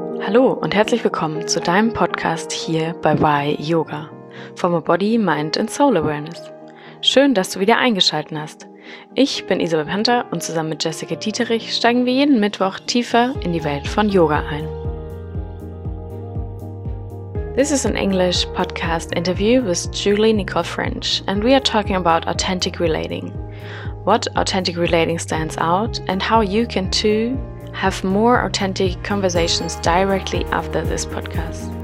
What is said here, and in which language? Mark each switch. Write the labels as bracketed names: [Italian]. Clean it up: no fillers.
[German] Hallo und herzlich willkommen zu deinem Podcast hier bei Why Yoga. [English] From a Body, Mind and Soul Awareness. [German] Schön, dass du wieder eingeschaltet hast. Ich bin Isabel Panther und zusammen mit Jessica Dieterich steigen wir jeden Mittwoch tiefer in die Welt von Yoga ein. [English] This is an English podcast interview with Julie Nicole French and we are talking about authentic relating. What authentic relating stands out and how you can too have more authentic conversations directly after this podcast.